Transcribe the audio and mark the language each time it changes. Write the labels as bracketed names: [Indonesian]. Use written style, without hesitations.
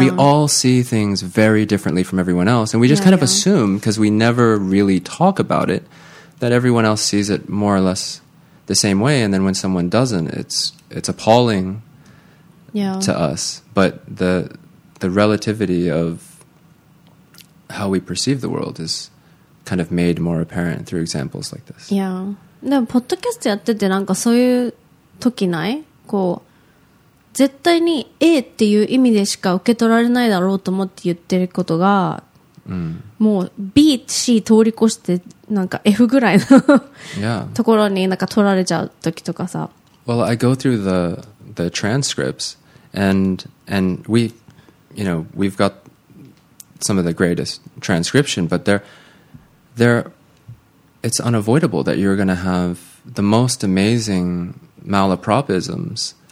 [English] We all see things very differently from everyone else. And we just kind of assume, because we never really talk about it, that everyone else sees it more or less the same way. And then when someone doesn't, it's appalling to us. But the relativity of how we perceive the world is kind of made more apparent through examples like this. Yeah. [Japanese] でもポッドキャストやっててなんかそういう時ない？こう絶対に A っていう意味でしか受け取られないだろうと思って言ってることが、もう B、C 通り越してなんか F ぐらいの ところになんか取られちゃう時とかさ。 [English] Well, I go through the transcripts and we, you know, we've got some of the greatest transcription, but there, it's unavoidable that you're going to have the most amazing malapropisms.